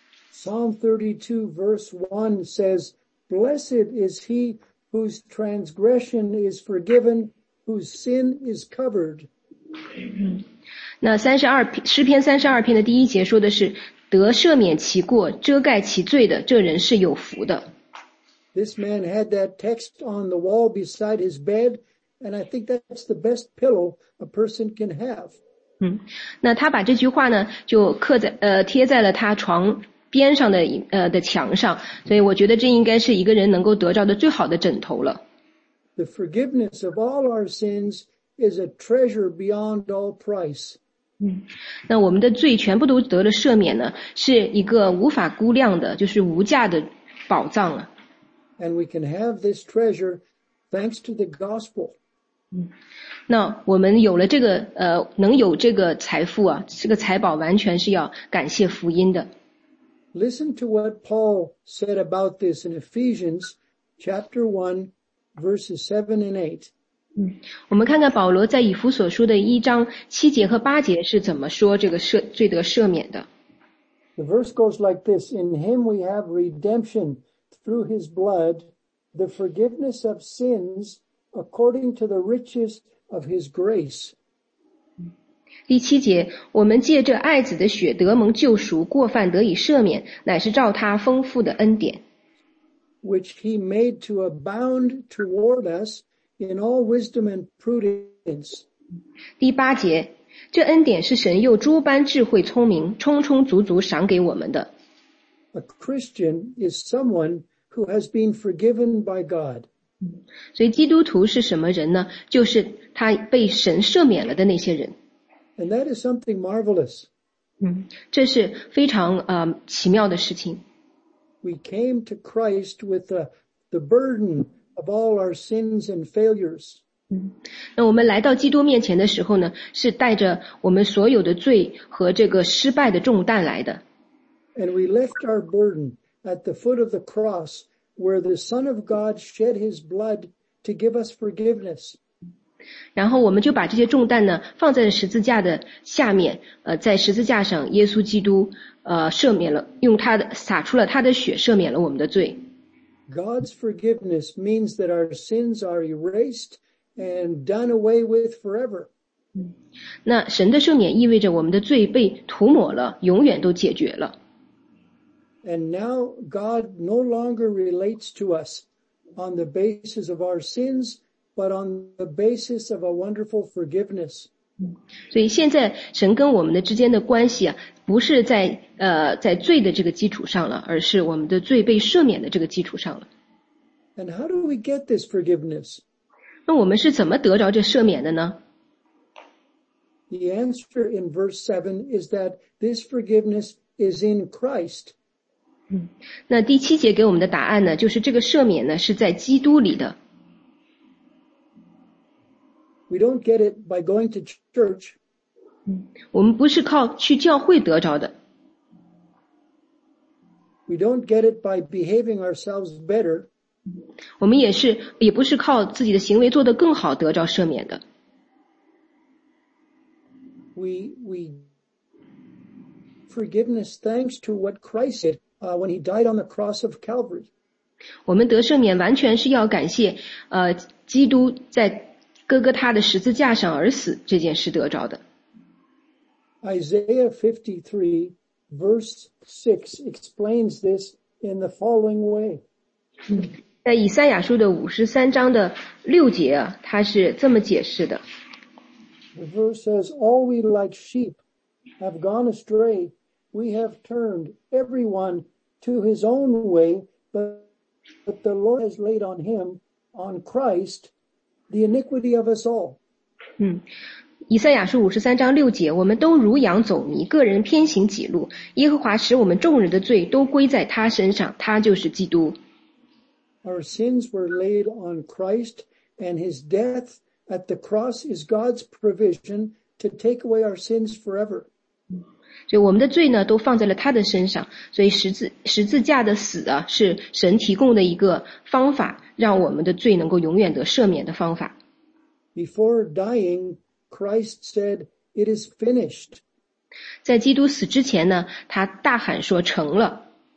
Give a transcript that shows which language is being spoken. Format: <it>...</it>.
<en>Psalm 32 verse 1 says, Blessed is he whose transgression is forgiven, whose sin is covered.</en> <zh>那诗篇32篇的第一节说的是得赦免其过遮盖其罪的这人是有福的。</zh> <en>This man had that text on the wall beside his bed, and I think that's the best pillow a person can have.</en> <zh>那他把这句话呢就贴在了他床边上的墙上，所以我觉得这应该是一个人能够得着的最好的枕头了。</zh> <en>The forgiveness of all our sins is a treasure beyond all price.</en> <zh>那我们的罪全部都得了赦免呢，是一个无法估量的，就是无价的宝藏啊。</zh> <en>And we can have this treasure thanks to the gospel.</en> <zh>那我们有了这个能有这个财富啊，这个财宝完全是要感谢福音的。</zh> <en>Listen to what Paul said about this in Ephesians chapter 1 verses 7 and 8.</en> <zh>我们看看保罗在以弗所书的一章七节和八节是怎么说这个罪得赦免的。</zh> <en>The verse goes like this, In him we have redemption through his blood, the forgiveness of sins according to the riches of his grace.</en> <zh>第七节，我们借着爱子的血得蒙救赎，过犯得以赦免，乃是照他丰富的恩典。</zh> <en>Which he made to abound toward us in all wisdom and prudence.</en> <zh>第八节，这恩典是神又诸般智慧聪明，充充足足赏给我们的。</zh> <en>A Christian is someone who has been forgiven by God.</en> <zh>所以基督徒是什么人呢？就是他被神赦免了的那些人。</zh> <en>And that is something marvelous.</en> <zh>这是非常奇妙的事情。</zh> <en>We came to Christ with the burden of all our sins and failures.</en> <zh>那我们来到基督面前的时候呢，是带着我们所有的罪和这个失败的重担来的。</zh> <en>And we left our burden at the foot of the cross where the Son of God shed his blood to give us forgiveness.</en> <zh>然后我们就把这些重担呢放在十字架的下面，在十字架上，耶稣基督赦免了，用他的洒出了他的血，赦免了我们的罪。</zh> <en>God's forgiveness means that our sins are erased and done away with forever.</en> <zh>那神的赦免意味着我们的罪被涂抹了，永远都解决了。</zh> <en>And now God no longer relates to us on the basis of our sins. But on the basis of a wonderful forgiveness.</en> <zh>所以现在神跟我们的之间的关系啊，不是在罪的这个基础上了，而是我们的罪被赦免的这个基础上了。</zh> <en>And how do we get this forgiveness?</en> <zh>那我们是怎么得着这赦免的呢？</zh> <en>The answer in verse 7 is that this forgiveness is in Christ.</en> <zh>那第七节给我们的答案呢，就是这个赦免呢，是在基督里的。</zh> <en>We don't get it by going to church.</en> <zh>我们不是靠去教会得着的。</zh> <en>We don't get it by behaving ourselves better.</en> <zh>我们也不是靠自己的行为做得更好得着赦免的。</zh> <en>We forgiveness thanks to what Christ did, when he died on the cross of Calvary.</en> <zh>我们得赦免完全是要感谢基督在哥哥他的十字架上而死这件事得着的。</zh> <en>Isaiah 53 verse 6 explains this in the following way.</en> <zh>在以赛亚书的53章的6节啊，他是这么解释的。</zh> <en>The verse says, All we like sheep have gone astray. We have turned everyone to his own way, but But the Lord has laid on him, on Christ, the iniquity of us all.</en> <zh>以赛亚书五十三章六节，我们都如羊走迷，个人偏行己路。耶和华使我们众人的罪都归在他身上，他就是基督。</zh> <en>Our sins were laid on Christ, and his death at the cross is God's provision to take away our sins forever.</en> <zh>所以我们的罪呢，都放在了他的身上。所以十字架的死啊，是神提供的一个方法，让我们的罪能够永远得赦免的方法。</zh> <en>Before dying. Christ said, "It is finished."</en> <zh>在基督死之前呢，他大喊说成了。</zh>